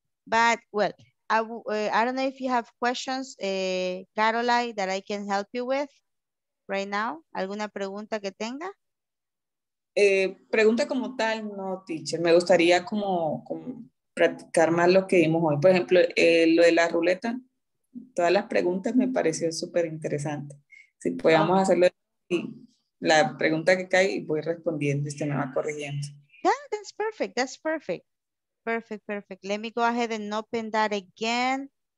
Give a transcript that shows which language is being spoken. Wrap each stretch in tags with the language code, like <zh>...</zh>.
<en>But, well, I don't know if you have questions, Caroline, that I can help you with right now.</en> <es>¿Alguna pregunta que tenga? Pregunta como tal, no, teacher. Me gustaría como practicar más lo que vimos hoy. Por ejemplo, lo de la ruleta. Todas las preguntas me pareció súper interesante. Si podemos hacerlo, la pregunta que cae, voy respondiendo y se me va corrigiendo.</es> <en>Yeah, that's perfect. That's perfect. Perfect, perfect. Let me go ahead and open that again.</en>